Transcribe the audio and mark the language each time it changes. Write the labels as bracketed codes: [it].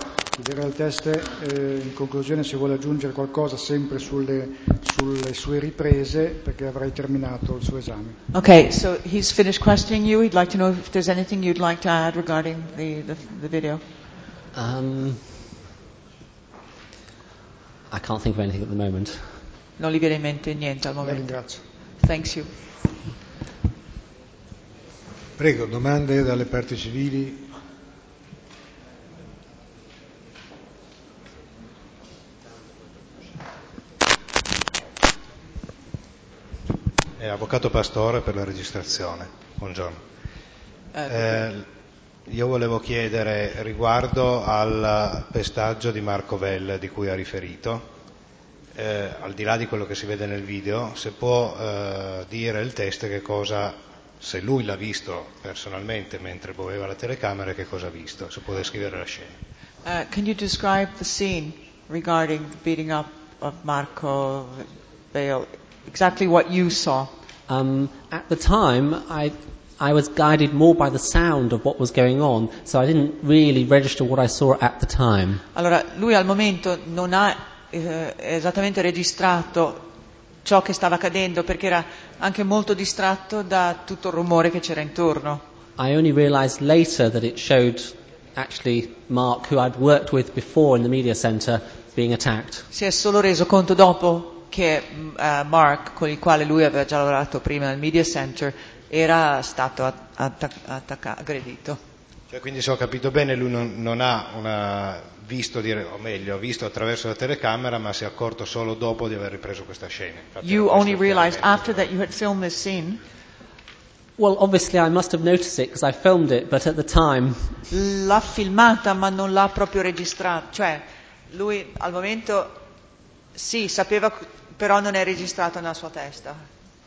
[it] Chiederò al teste in conclusione se vuole aggiungere qualcosa sempre sulle sue riprese, perché avrei terminato il suo esame. [en] Okay, so he's finished questioning you. He'd like to know if there's anything you'd like to add regarding the video. I can't think of anything at the moment. [it] Non gli viene in mente niente al momento. La ringrazio. [en] Thanks you. [it] Prego, domande dalle parti civili. Avvocato Pastore per la registrazione. Buongiorno. Io volevo chiedere riguardo al pestaggio di Marco Velle di cui ha riferito, al di là di quello che si vede nel video, se può dire il test che cosa, se lui l'ha visto personalmente mentre muoveva la telecamera, che cosa ha visto, se può descrivere la scena. [en] Can you describe the scene regarding the beating up of Marco Velle, exactly what you saw? At the time, I was guided more by the sound of what was going on, so I didn't really register what I saw at the time. [it] Allora, lui al momento non ha esattamente registrato ciò che stava accadendo perché era anche molto distratto da tutto il rumore che c'era intorno. [en] I only realized later that it showed actually Mark, who I'd worked with before in the media center, being attacked. [it] Si è solo reso conto dopo che Mark, con il quale lui aveva già lavorato prima nel media center, era stato aggredito. Cioè, quindi, se ho capito bene, lui non ha visto, o meglio, ha visto attraverso la telecamera, ma si è accorto solo dopo di aver ripreso questa scena. Infatti, [en] you only realized after that you had filmed this scene? Well, obviously I must have noticed it because I filmed it, but at the time. [it] L'ha filmata, ma non l'ha proprio registrata. Cioè, lui al momento sì, sapeva, però non è registrato nella sua testa.